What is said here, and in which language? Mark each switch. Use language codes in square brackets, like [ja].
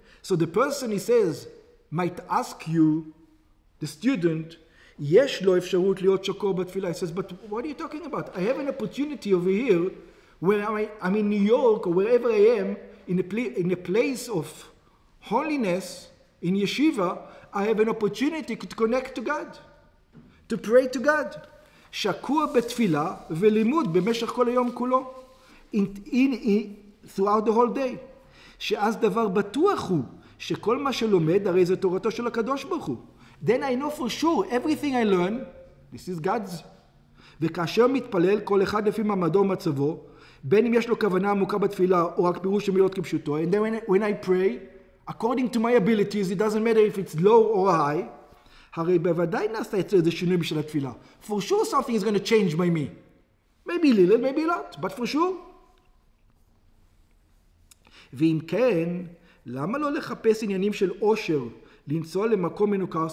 [en] So the person, he says, might ask you, the student, [he] יש לו אפשרות להיות שקור בתפילה. [en] He says, but what are you talking about? I have an opportunity over here where I'm in New York or wherever I am in a place of holiness, in yeshiva, I have an opportunity to connect to God, to pray to God. [he] שקור בתפילה ולימוד במשך כל היום כולו, [en] throughout the whole day. [he] שאז דבר בטוח הוא שכל מה שלומד הרי זה תורתו של הקדוש ברוך הוא. [en] Then I know for sure, everything I learn, this is God's. [he] וכאשר מתפלל כל אחד לפי מעמדו ומצבו, בין אם יש לו כוונה עמוקה בתפילה או רק פירוש המילות כפשוטו, [en] and then when I pray, according to my abilities, it doesn't matter if it's low or high, [he] הרי בוודאי נעשה יצא איזה שינוי בשביל התפילה. [en] For sure something is going to change by me. Maybe a little, maybe a lot, but for sure. [he] ואם כן, למה לא לחפש עניינים של עושר, לנסוע למקום מנוכר.